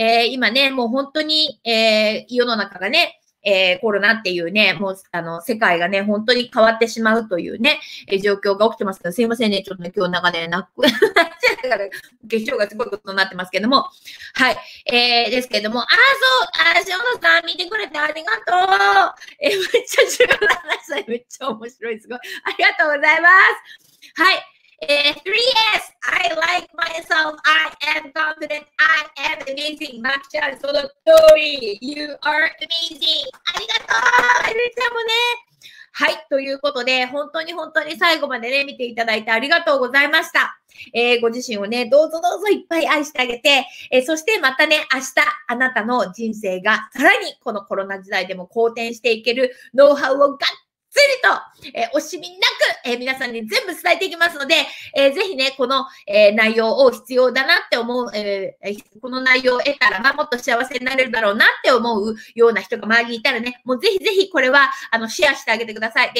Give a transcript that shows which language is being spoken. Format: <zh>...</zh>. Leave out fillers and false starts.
<ja>今ね、もう本当に、世の中がね、コロナっていうね、もう世界がね、本当に変わってしまうというね、状況が起きてますけど、すいませんね、ちょっとね、今日長年泣く、化粧がすごいことになってますけども、はい、ですけども、あ、そう、あ、塩野さん、見てくれてありがとう。めっちゃ重要な話だよ、めっちゃ面白い、すごい。ありがとうございます。はい。</ja> <en>3S, I like myself, I am confident, I am amazing. マキちゃん、</en> <ja>その通り。</ja> <en>You are amazing.</en> <ja>ありがとう、めちゃもね。はい、ということで、本当に本当に最後までね、見ていただいてありがとうございました。ご自身をね、どうぞどうぞいっぱい愛してあげて、そしてまたね、明日、あなたの人生がさらにこのコロナ時代でも好転していけるノウハウをガッずりと、惜しみなく、皆さんに全部伝えていきますので、ぜひね、この、内容を必要だなって思う、この内容を得たら、まあ、もっと幸せになれるだろうなって思うような人が周りにいたらね、もうぜひぜひこれは、シェアしてあげてください。</ja>